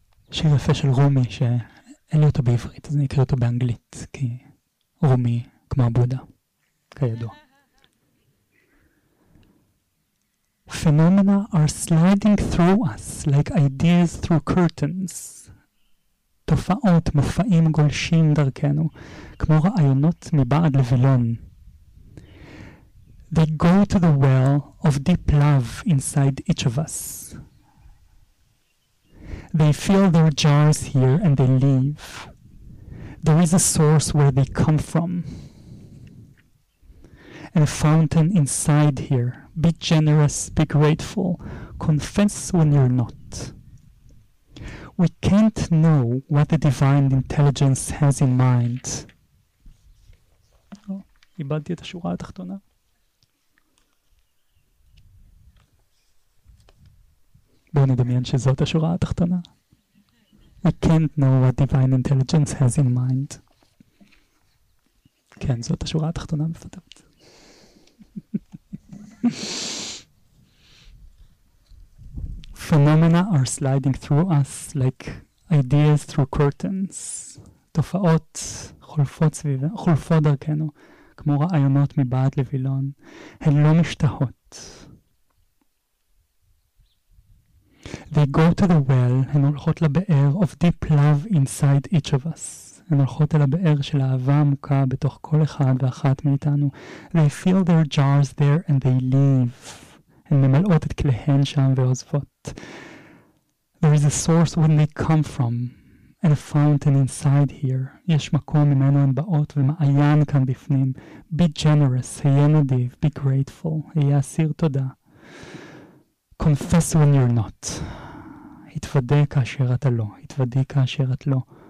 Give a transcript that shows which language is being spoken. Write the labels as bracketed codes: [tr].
[he] שיר יפה של רומי, שאין לי אותו בעברית, אז אני אקריא אותו באנגלית, כי רומי כמו הבודה, כידוע. [en] Phenomena are sliding through us like ideas through curtains. [he] תופעות, מופעים גולשים דרכנו, כמו רעיונות מבעד לבלון. [en] They go to the well of deep love inside each of us. They fill their jars here and they leave. There is a source where they come from. And a fountain inside here. Be generous, be grateful. Confess when you're not. We can't know what the divine intelligence has in mind. [he] איבדתי את השורה התחתונה. בואו נדמיין שזאת השורה התחתונה. [en] We can't know what divine intelligence has in mind. [he] כן, זאת השורה התחתונה מפתרת. [en] Phenomena are sliding through us like ideas through curtains. [he] תופעות חולפות סביבנו, חולפות דרכנו, כמו רעיונות מבעד לבילון. הן לא משתהות. [en] They go to the well, [he] הן הולכות לבאר [en] of deep love inside each of us. [he] הן הולכות אל הבאר של אהבה עמוקה בתוך כל אחד ואחת מאיתנו. [en] They fill their jars there and they leave. [he] הן ממלאות את כליהן שם ועוזבות. [en] There is a source where they come from and a fountain inside here. [he] יש מקום ממנו הן באות ומעיין כאן בפנים. [en] Be generous, [he] היה נדיב, [en] be grateful, [he] היה אסיר תודה. [en] Confess when you're not. [he] התוודא כאשר אתה לא. התוודא כאשר את לא.